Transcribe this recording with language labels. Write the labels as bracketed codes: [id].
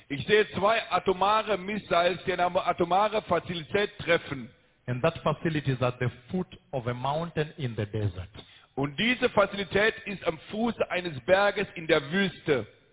[de] Ich sehe zwei atomare missiles, die eine atomare Fazilität treffen. [en] And that facility is at the foot of a mountain in the desert. [de] Und diese Fazilität ist am Fuß eines Berges in der Wüste.